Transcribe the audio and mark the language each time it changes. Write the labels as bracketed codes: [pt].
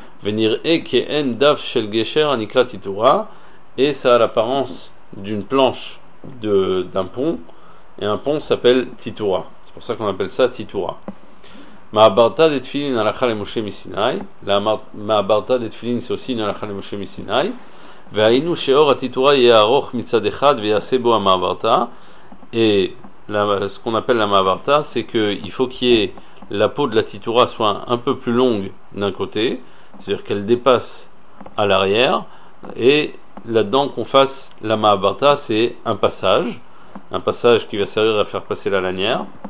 [fr] Venir en [he] daf shel gesher anikra titoura, [fr] et ça a l'apparence d'une planche d'un pont, et un pont s'appelle titoura. C'est pour ça qu'on appelle ça titoura. Ma'abarta des tefilin alakha le Moshe Misinai, la ma'abarta des tefilin c'est aussi une alakha le Moshe Misinai. [he] והיינו שאור התיתורה יהיה ארוך מצד אחד ויעשה בו המעברתה. [fr] Et ce qu'on appelle la מעברתה, c'est qu'il faut qu'il y ait la peau de la titura soit un peu plus longue d'un côté, c'est-à-dire qu'elle dépasse à l'arrière, et là-dedans qu'on fasse la מעברתה, c'est un passage qui va servir à faire passer la lanière.